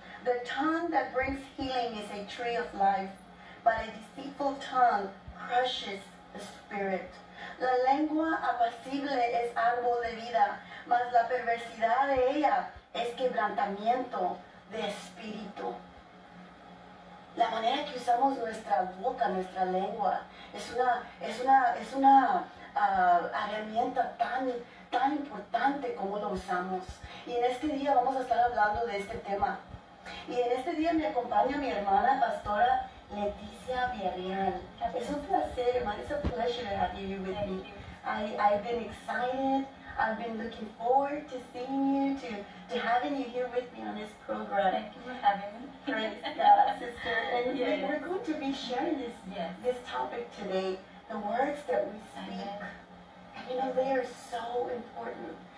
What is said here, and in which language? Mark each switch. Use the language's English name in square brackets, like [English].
[English] The tongue that brings healing is a tree of life, but a deceitful tongue crushes the spirit. [Spanish] La lengua apacible es árbol de vida, mas la perversidad de ella es quebrantamiento de espíritu. La manera que usamos nuestra boca, nuestra lengua, es una herramienta tan importante como lo usamos. Y en este día vamos a estar hablando de este tema. Y en este día me acompaña mi hermana pastora Leticia Villarreal. Es un placer, hermana. [English] It's a pleasure to have you with me. I've been excited. I've been looking forward to seeing you, to having you here with me on this program. Thank you for having me. Praise God, sister. And yes, we're going to be sharing this, yes, this topic today, the words that we speak. And you know, they are so important.